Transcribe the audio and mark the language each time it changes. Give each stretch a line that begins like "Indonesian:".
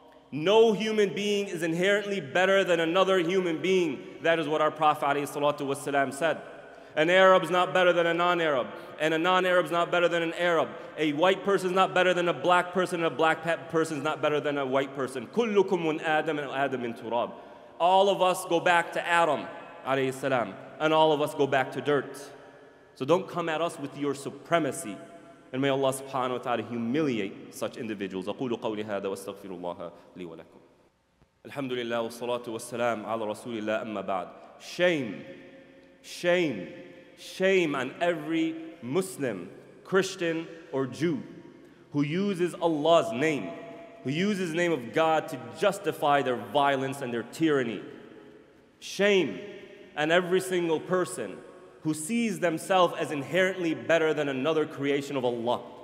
English: No human being is inherently better than another human being. That is what our Prophet alayhi salatu wasalam said. An Arab is not better than a non-Arab, and a non-Arab is not better than an Arab. A white person is not better than a black person, and a black person is not better than a white person.
Arabic: كُلُّكُمْ مُنْ آدَمْ and آدَمْ مِنْ تُرَابْ.
English: All of us go back to Adam, alayhi salam, and all of us go back to dirt. So don't come at us with your supremacy. And may Allah subhanahu wa ta'ala humiliate such individuals.
Arabic: أَقُولُ قَوْلِ هَذَا وَاسْتَغْفِرُ اللَّهَ لِي وَلَكُمْ. الحمد لله والصلاة والسلام على رسول الله أما بعد.
English: Shame on every Muslim, Christian, or Jew who uses Allah's name, who uses the name of God to justify their violence and their tyranny. Shame on every single person who sees themselves as inherently better than another creation of Allah.